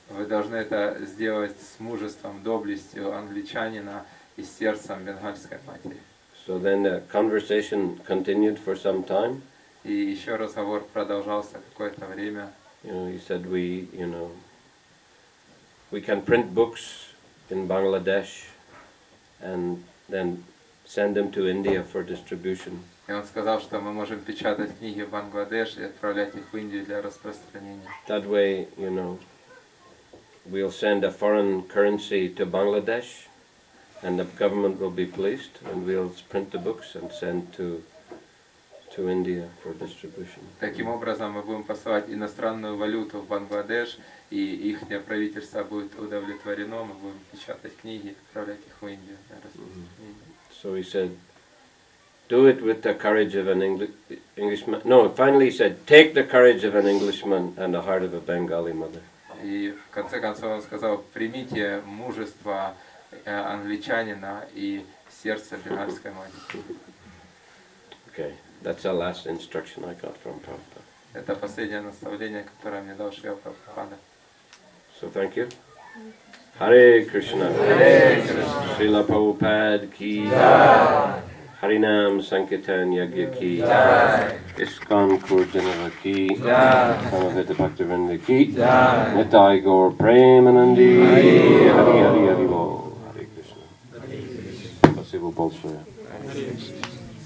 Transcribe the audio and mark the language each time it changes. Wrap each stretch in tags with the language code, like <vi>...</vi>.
<ru>Вы должны это сделать с мужеством, доблестью англичанина и сердцем бенгальской матери.</ru> <en>So then the conversation continued for some time.</en> <ru>И еще разговор продолжался какое-то время.</ru> <en>You know, he said, we can print books in Bangladesh and then send them to India for distribution.</en> <ru>И он сказал, что мы можем печатать книги в Бангладеш и отправлять их в Индию для распространения.</ru> <en>That way, you know, we'll send a foreign currency to Bangladesh and the government will be pleased and we'll print the books and send to India for distribution.</en> <ru>Таким образом мы будем посылать иностранную валюту в Бангладеш, и ихнее правительство будет удовлетворено, мы будем печатать книги, отправлять их в Индию.</ru> <en>So he said, do it with the courage of an Englishman. No, finally he said, take the courage of an Englishman and the heart of a Bengali mother.</en> <ru>И в конце концов он сказал, примите мужество англичанина и сердце бенгальской матери.</ru> <en>Okay. That's the last instruction I got from Prabhupada.</en> <ru>Это последнее наставление, которое мне дал Шрила Прабхупада.</ru> <en>So thank you. Hare Krishna. Hare Krishna. Srila Prabhupada ki jai.</en> <ru>Харинам Санкетан Ягьяки, Искон Курджанаваки, Самагата Бхактивиндаки, Нитай Гаур Премананди, Хари Хари Хари Бол, Хари Кришна. Спасибо большое.</ru>